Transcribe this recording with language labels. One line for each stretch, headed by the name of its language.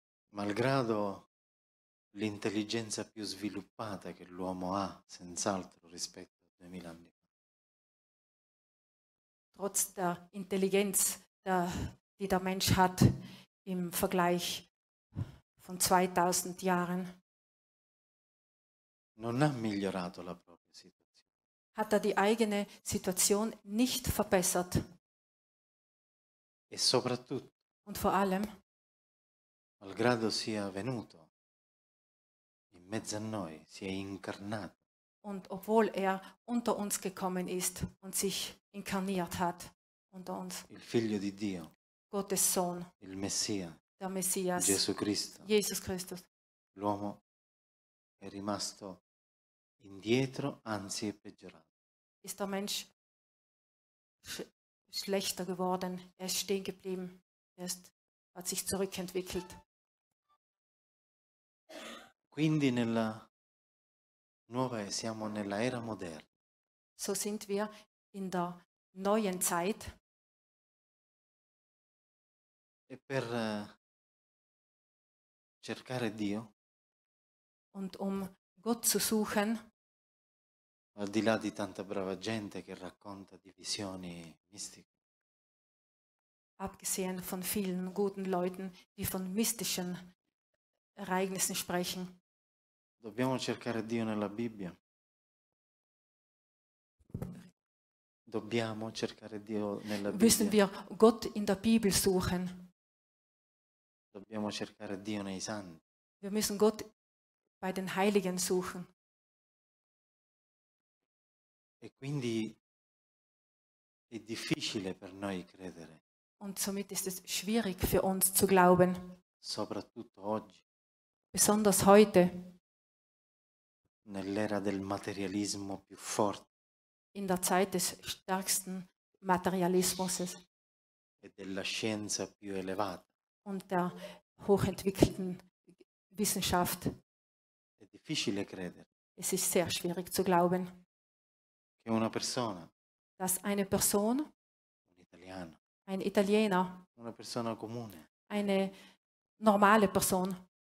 Italian: Malgrado l'intelligenza più sviluppata che l'uomo ha, senz'altro rispetto a 2000 anni fa.
German: Trotz der Intelligenz, die der Mensch hat, im Vergleich von 2000 Jahren,
Italian: non ha migliorato la propria situazione.
German: Hat er die eigene Situation nicht verbessert.
Italian: E soprattutto,
German: und vor allem,
Italian: malgrado sia venuto in mezzo a noi, si è incarnato,
German: und obwohl er unter uns gekommen ist und sich inkarniert hat unter uns,
Italian: il figlio di Dio,
German: Gottes Sohn,
Italian: il Messia,
German: der Messias,
Italian: Gesù Cristo,
German: Jesus Christus,
Italian: l'uomo è rimasto indietro, anzi è peggiorato.
German: Ist der Mensch schlechter geworden? Er ist stehen geblieben. Hat sich zurückentwickelt.
Italian: Quindi nella nuova, siamo nella era moderna.
German: So sind wir in der neuen Zeit.
Italian: E per cercare Dio,
German: und Gott zu suchen,
Italian: al di là di tanta brava gente che racconta di visioni mistiche,
German: abgesehen von vielen guten Leuten, die von mystischen Ereignissen sprechen,
Italian: dobbiamo cercare Dio nella Bibbia. Dobbiamo cercare Dio nella Bibbia.
German: Müssen wir Gott in der Bibel suchen?
Italian: Dobbiamo cercare Dio nei santi.
German: Wir müssen Gott bei den Heiligen suchen.
Italian: E quindi è difficile per noi credere.
German: Und somit ist es schwierig für uns zu glauben.
Italian: Soprattutto oggi.
German: Besonders heute.
Italian: Nell'era del materialismo più forte.
German: In der Zeit des stärksten Materialismus.
Italian: E della scienza più elevata.
German: Und der hochentwickelten Wissenschaft.
Italian: È difficile credere.
German: Es ist sehr schwierig zu glauben.
Italian: Che una persona.
German: Dass eine Person.
Italian: Un italiano.
German: Ein Italiener.
Italian: Una persona comune.
German: Eine normale Person.